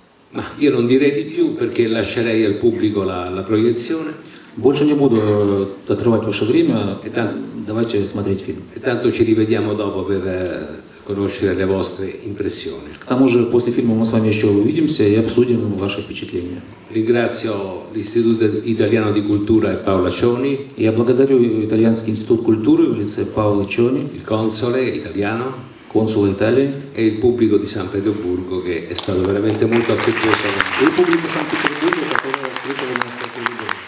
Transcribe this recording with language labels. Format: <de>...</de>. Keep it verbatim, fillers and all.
<it>Ma io non direi di più perché lascerei al pubblico la, la proiezione.</it> <ru>Больше не буду отрывать ваше время, давайте смотреть фильм.</ru> <it>E tanto ci rivediamo dopo per conoscere le vostre impressioni.</it> <ru>К тому же после фильма мы с вами еще увидимся и обсудим ваши впечатления.</ru> <it>Ringrazio l'Istituto Italiano di Cultura e Paola Cioni.</it> <ru>Я благодарю Итальянский институт культуры в лице Паоло Чони,</ru> <it>il console italiano,</it> <ru>консула Италии,</ru> <it>e il pubblico di San Pietroburgo che è stato veramente molto affettuoso. Il pubblico di San Pietroburgo che aveva scritto il nostro pubblico.</it>